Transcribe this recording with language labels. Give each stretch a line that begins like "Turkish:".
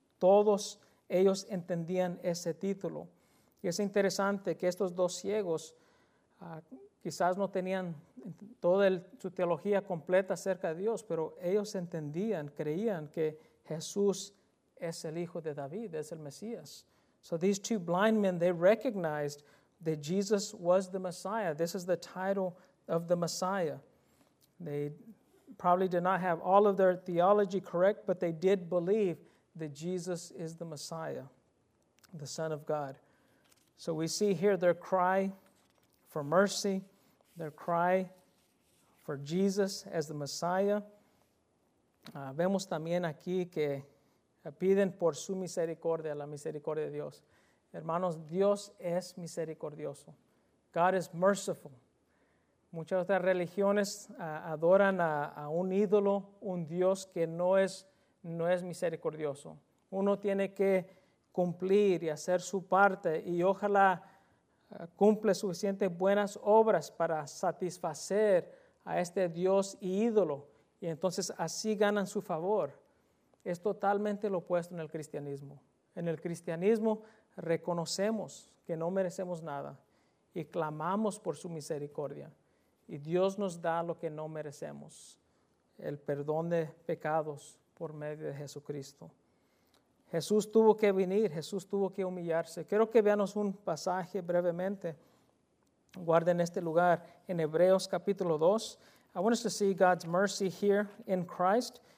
Spanish: Todos ellos entendían ese título. Y es interesante que estos dos ciegos quizás no tenían toda su teología completa acerca de Dios, pero ellos entendían, creían que Jesús es el Hijo de David, es el Mesías.
English: So these two blind men, they recognized that Jesus was the Messiah. This is the title of the Messiah. They probably did not have all of their theology correct, but they did believe that Jesus is the Messiah, the Son of God. So we see here their cry for mercy, their cry for Jesus as the Messiah.
Spanish: Vemos también aquí que piden por su misericordia, la misericordia de Dios. Hermanos, Dios es misericordioso.
English: God is merciful.
Spanish: Muchas otras religiones adoran a un ídolo, un Dios que no es misericordioso. Uno tiene que cumplir y hacer su parte y ojalá cumple suficientes buenas obras para satisfacer a este Dios y ídolo. Y entonces así ganan su favor. Es totalmente lo opuesto en el cristianismo. En el cristianismo reconocemos que no merecemos nada y clamamos por su misericordia. Y Dios nos da lo que no merecemos, el perdón de pecados por medio de Jesucristo. Jesús tuvo que venir, Jesús tuvo que humillarse. Quiero que veamos un pasaje brevemente. Guarden este lugar en Hebreos capítulo 2.
English: I want us to see God's mercy here in Christ.